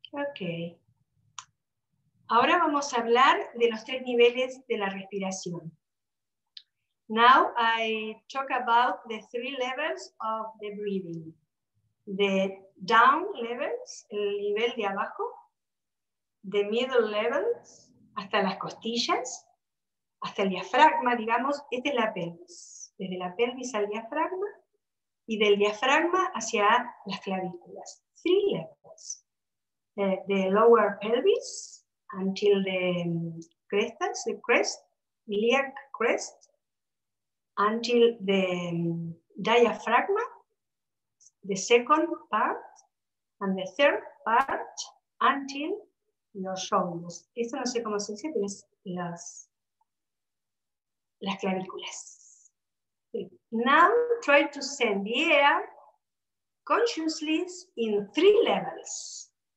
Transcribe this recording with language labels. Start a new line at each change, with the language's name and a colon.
Spanish: Okay. Ahora vamos a hablar de los tres niveles de la respiración.
English: Now I talk about the three levels of the breathing. The down levels,
Spanish: el nivel de abajo,
English: the middle levels,
Spanish: hasta las costillas, hasta el diafragma, digamos, este es la pelvis, desde la pelvis al diafragma y del diafragma hacia las clavículas.
English: Three levels. The lower pelvis until the crestas, the crest, iliac crest, until the diaphragm, the second part, and the third part, until your shoulders.
Spanish: Esto no sé cómo se dice, pero es las clavículas.
English: Now try to send the air consciously in three levels.